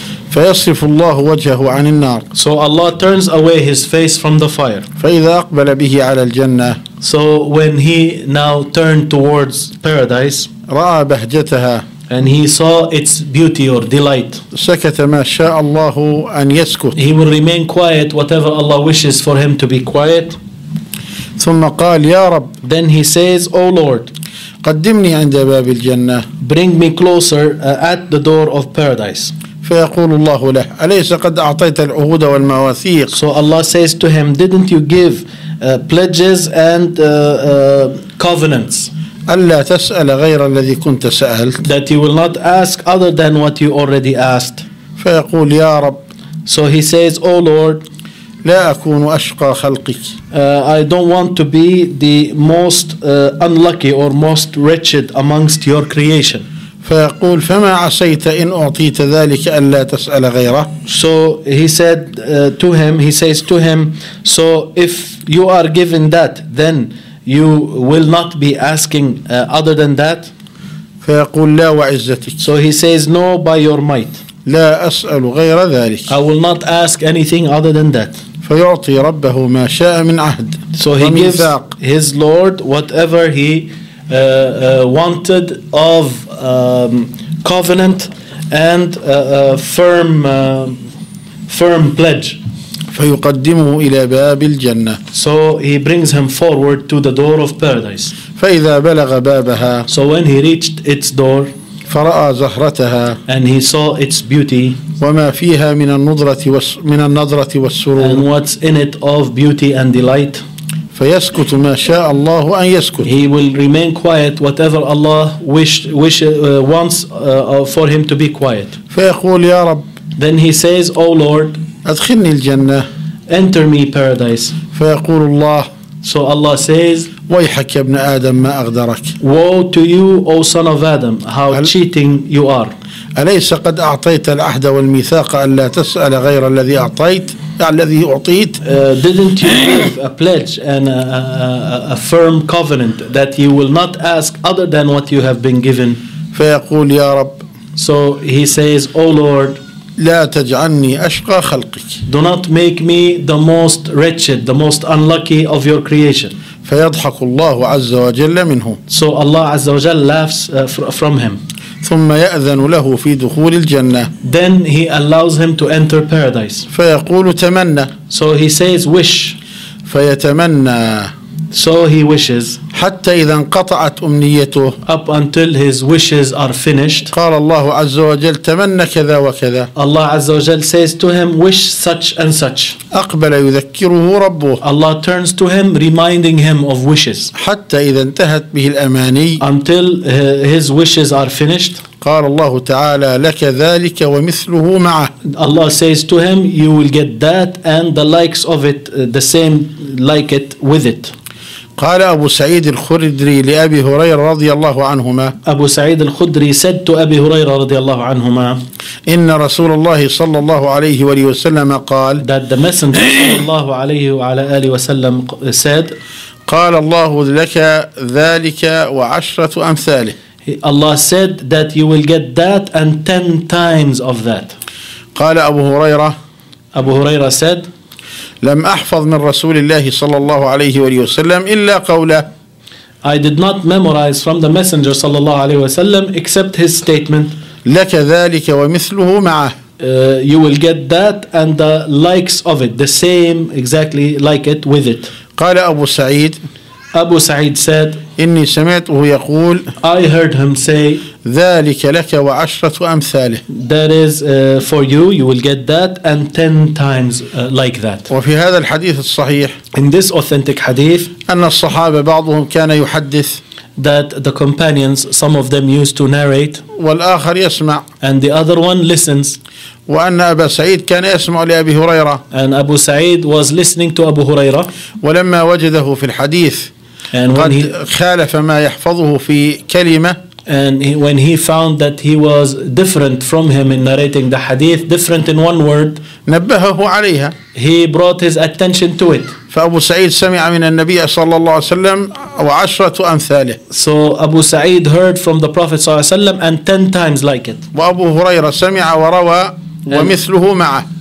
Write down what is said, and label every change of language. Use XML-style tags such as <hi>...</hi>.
<ar>فيصرف الله وجهه عن النار.</ar> <en>So Allah turns away his face from the fire.</en> <ar>فإذا أقبل به على الجنة.</ar> <en>So when he now turned towards paradise.</en> <ar>رأى بهجتها.</ar> <en>And he saw its beauty or delight.</en> <ar>سكت ما شاء الله أن يسكت.</ar> <en>He will remain quiet whatever Allah wishes for him to be quiet.</en> <ar>ثم قال يا رب.</ar> <en>Then he says, O Lord.</en> <ar>قدمني عند باب الجنة.</ar> <en>Bring me closer at the door of paradise.</en> <ar>فيقول الله له أليس قد أعطيت العهود والمواثيق.</ar> <en>So Allah says to him, didn't you give pledges and covenants?</en> <ar>ألا تسأل غير الذي كنت سألت.</ar> <en>That you will not ask other than what you already asked.</en> <ar>فيقول يا رب.</ar> <en>So he says, O Lord.</en> <ar>لا أكون أشقى خلقك.</ar> <en>I don't want to be the most unlucky or most wretched amongst your creation.</en> <ar>فيقول فما عسيت إن أعطيت ذلك ألا تسأل غيره.</ar> <en>So he said to him, he says to him, so if you are given that, then you will not be asking other than that.</en> <ar>فيقول لا وعزتك.</ar> <en>So he says no by your might.</en> <ar>لا أسأل غير ذلك.</ar> <en>I will not ask anything other than that.</en> <ar>فيعطي ربه ما شاء من عهد.</ar> <en>So he gives his Lord whatever he wanted of covenant and firm pledge.</en> <ar>فيقدمه إلى باب الجنة.</ar> <en>So he brings him forward to the door of paradise.</en> <ar>فإذا بلغ بابها.</ar> <en>So when he reached its door.</en> <ar>فرأى زهرتها.</ar> <en>And he saw its beauty.</en> <ar>وما فيها من النضرة من النضرة والسرور.</ar> <en>And what's in it of beauty and delight.</en> <ar>فيسكت ما شاء الله أن يسكت.</ar> <en>He will remain quiet whatever Allah wants for him to be quiet.</en> <ar>فيقول يا رب.</ar> <en>Then he says, O Lord.</en> <ar>أدخلني الجنة.</ar> <en>Enter me paradise.</en> <ar>فيقول الله.</ar> <en>So Allah says.</en> <ar>ويحك يا ابن آدم ما أغدرك.</ar> <en>Woe to you, O son of Adam, how cheating you are.</en> <ar>أليس قد أعطيت العهد والميثاق ألا تسأل غير الذي أعطيت؟ الذي أعطيت.</ar> <en>Didn't you give a pledge and a firm covenant that you will not ask other than what you have been given?</en> <ar>فيقول يا رب.</ar> <en>So he says, O Lord.</en> <ar>لا تجعلني أشقى خلقك.</ar> <en>Do not make me the most wretched, the most unlucky of your creation.</en> <ar>فيضحك الله عز وجل منه.</ar> <en>So Allah</en> <ar>عز وجل</ar> <en>laughs from him.</en> <ar>ثم يأذن له في دخول الجنة.</ar> <en>Then he allows him to enter paradise.</en> <ar>فيقول تمنى.</ar> <en>So he says wish.</en> <ar>فيتمنى.</ar> <en>So he wishes.</en> <ar>حتى إذا انقطعت أمنيته.</ar> <en>Up until his wishes are finished.</en> <ar>قال الله عز وجل تمنى كذا وكذا.</ar> <en>Allah</en> <ar>عز وجل</ar> <en>says to him wish such and such.</en> <ar>أقبل يذكره ربه.</ar> <en>Allah turns to him reminding him of wishes.</en> <ar>حتى إذا انتهت به الأماني.</ar> <en>Until his wishes are finished.</en> <ar>قال الله تعالى لك ذلك ومثله معه.</ar> <en>Allah says to him you will get that and the likes of it, the same like it with it.</en> <ar>قال أبو سعيد الخدري لأبي هريرة رضي الله عنهما.</ar> <en>أبو سعيد الخدري said to أبي هريرة</en> <ar>رضي الله عنهما. إن رسول الله صلى الله عليه وسلم قال.</ar> <en>That the messenger</en> <ar>صلى الله عليه وعلى آله وسلم</ar> <en>said.</en> <ar>قال الله لك ذلك وعشرة أمثاله.</ar> <en>Allah said that you will get that and 10 times of that.</en> <ar>قال أبو هريرة.</ar> <en>أبو هريرة said.</en> <ar>لم أحفظ من رسول الله صلى الله عليه وسلم إلا قوله.</ar> <en>I did not memorize from the messenger</en> <ar>صلى الله عليه وسلم</ar> <en>except his statement.</en> <ar>لك ذلك ومثله معه.</ar> <en>You will get that and the likes of it, the same exactly like it with it.</en> <ar>قال أبو سعيد.</ar> <en>أبو سعيد said.</en> <ar>إني سمعته يقول.</ar> <en>I heard him say.</en> <ar>ذلك لك وعشرة أمثاله.</ar> <en>That is for you. You will get that and 10 times like that.</en> <ar>وفي هذا الحديث الصحيح.</ar> <en>In this authentic hadith.</en> <ar>أن الصحابة بعضهم كان يحدث.</ar> <en>That the companions, some of them used to narrate.</en> <ar>والآخر يسمع.</ar> <en>And the other one listens.</en> <ar>وأن أبا سعيد كان يسمع لأبي هريرة.</ar> <en>And Abu Sa'id was listening to Abu Huraira.</en> <ar>ولما وجده في الحديث.</ar> <en>And</en> <ar>قد</ar> <en>he,</en> <ar>خالف ما يحفظه في كلمة.</ar> <en>And he, when he found that he was different from him in narrating the hadith, different in one word.</en> <ar>نبهه عليها.</ar> <en>He brought his attention to it.</en> <ar>فأبو سعيد سمع من النبي صلى الله عليه وسلم وعشرة أمثاله.</ar> <en>So Abu Sa'id heard from the Prophet</en> <ar>صلى الله عليه وسلم</ar> <en>and 10 times like it.</en> <ar>وأبو هريرة سمع وروى ومثله معه.</ar>